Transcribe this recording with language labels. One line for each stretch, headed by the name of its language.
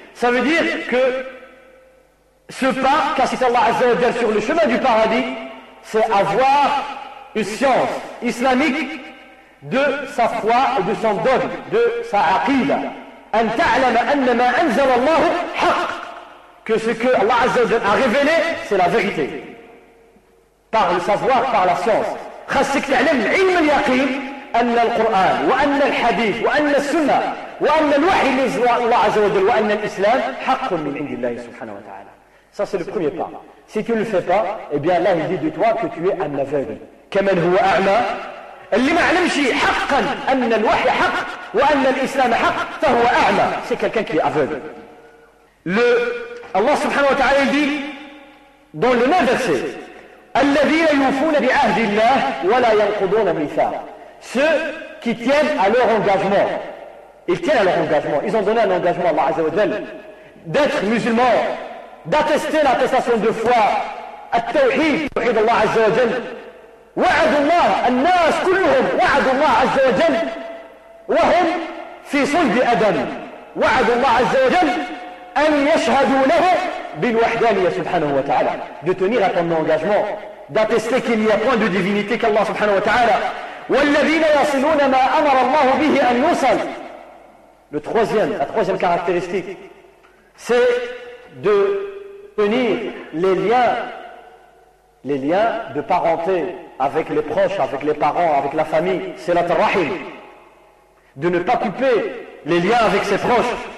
French: Ça veut dire que ce pas qu'a cité Allah Azza wa Jal sur le chemin du paradis, c'est avoir une science islamique de sa foi et de son dogme, de sa aqida.
Arabic: An ta'lama anna ma anzala Allah haqq,
French: que ce que Allah Azza wa Jal a révélé, c'est la vérité. Par le savoir, par la science.
Arabic: خاصك تعلم علم اليقين ان القران وان الحديث وان السنه وان الوحي اللي نزل الله عز وجل وان الاسلام حق من عند الله سبحانه وتعالى.
French: Ça c'est le premier pas. Si tu le fais pas, eh bien Allah il dit de toi que tu es un aveugle.
Arabic: كمن هو اعمى اللي ما علمش حقا ان الوحي حق وان الاسلام حق فهو اعمى.
French: C'est quelqu'un qui est aveugle. Allah سبحانه وتعالى il dit dans le même verset,
Arabic: الذين يوفون بعهد الله ولا ينقضون الميثاق.
French: Ceux qui tiennent à leur engagement. Ils tiennent à leur engagement. Ils ont donné un engagement à Allah Azza wa Jal d'être musulman, d'attester l'attestation de foi,
Arabic: التوحيد, توحيد الله عز وجل. وعد الله الناس كلهم وعد الله عز وجل وهم في صلب أدم. وعد الله عز وجل أن يشهدوا له بالوحدانية سبحانه وتعالى.
French: De tenir à ton engagement, d'attester qu'il n'y a point de divinité qu'Allah subhanahu wa ta'ala.
Arabic: والذين يصلون ما أمر الله به أن يصل.
French: Le troisième, la troisième caractéristique, c'est de tenir les liens de parenté avec les proches, avec les parents, avec la famille, c'est la tarahim. De ne pas couper les liens avec ses proches.